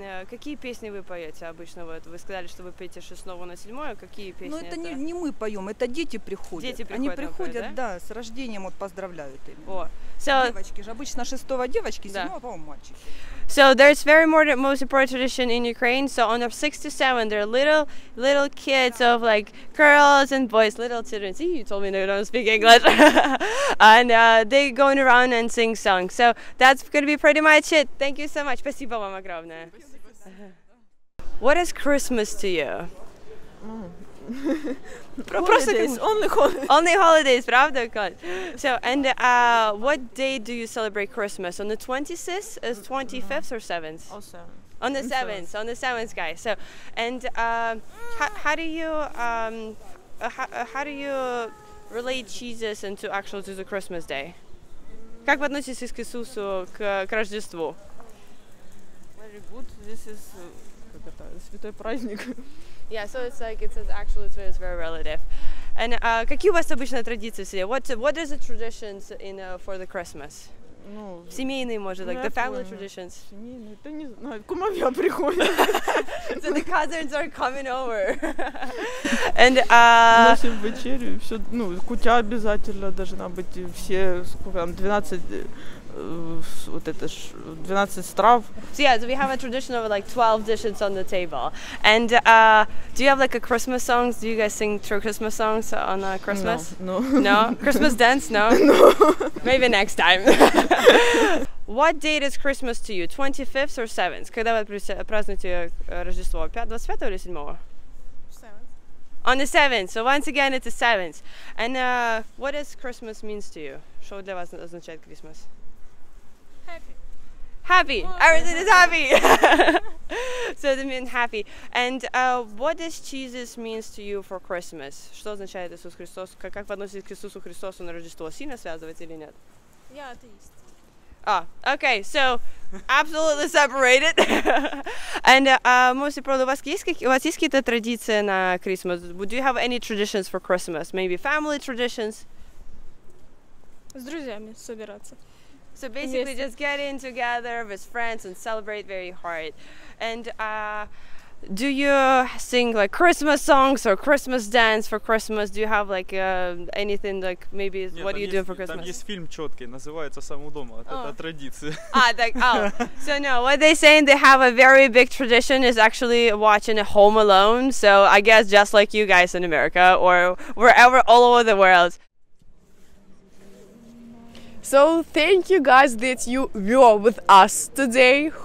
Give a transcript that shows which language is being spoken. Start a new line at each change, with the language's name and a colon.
Russian: Какие песни вы поете обычно? Вы сказали, что вы пьете 6 на 7, какие песни? Ну, это не мы поем, это дети приходят. Дети приходят. Они приходят, да? Да, с рождением вот поздравляют их.
English: So,
Russian: девочки же обычно 6 девочки, 7 по-моему, мальчики.
English: So there's very more most important tradition in Ukraine. So on the 6th to 7th, there are little kids of like girls and boys, little children. See, you told me they don't speak English. And they're going around and sing songs. So that's gonna be pretty much it. Thank you so much.
Russian: Спасибо вам огромное.
English: What is Christmas to you? Holidays. Only holidays. Only holidays,
Russian: правда?
English: So, and what day do you celebrate Christmas? On the 26th, 25th or 7th? Also. On the 7th, on the 7th, guys. So, and how do you relate Jesus into actual to the Christmas day?
Russian: Как вы относитесь к Иисусу к Рождеству?
English: Very good. This is
Russian: святой праздник.
English: Yeah, so it's like it's actually it's very relative. And
Russian: какие у вас обычно традиции?
English: What is the traditions in for the Christmas?
Russian: Ну, семейные, может,
English: like the family traditions.
Russian: Семейные, это не знаю. Кумовья приходит.
English: So the cousins are coming over. And
Russian: носим вечерю, все, ну, кутя обязательно должна быть, все, сколько там, 12 вот это ж 12 страв.
English: So yeah, so we have a tradition of like 12 dishes on the table. And do you have like a Christmas songs? Do you guys sing true Christmas songs on Christmas? No. Christmas dance? No. No. Maybe next time. What date is Christmas to you? 25th or 7th?
Russian: Когда вы празднуете Рождество?
English: 25th
Russian: или
English: 7th? 7th. On the 7th. So once again, it's the 7th. And what does Christmas means to you?
Russian: Что для вас означает Christmas?
English: Happy. Happy. Everything is happy. So it means happy. And what does Jesus means to you for Christmas?
Russian: Что означает Иисус Христос? Как вы относитесь к Иисусу Христосу на Рождество? Сильно связывается или нет? Я атеист.
English: Ah, okay. So absolutely separated. And most importantly,
Russian: у вас есть какие-то традиции на
English: Christmas? Do you have any traditions for Christmas? Maybe family traditions?
Russian: С друзьями собираться.
English: So basically, just get in together with friends and celebrate very hard. And do you sing like Christmas songs or Christmas dance for Christmas? Do you have like anything like maybe
Russian: Нет,
English: what do you
Russian: есть,
English: do for Christmas?
Russian: Там есть фильм четкий, называется «Сам у дома». Это oh. традиция.
English: So no, what they saying they have a very big tradition is actually watching Home Alone. So I guess just like you guys in America or wherever, all over the world. So thank you guys that you were with us today.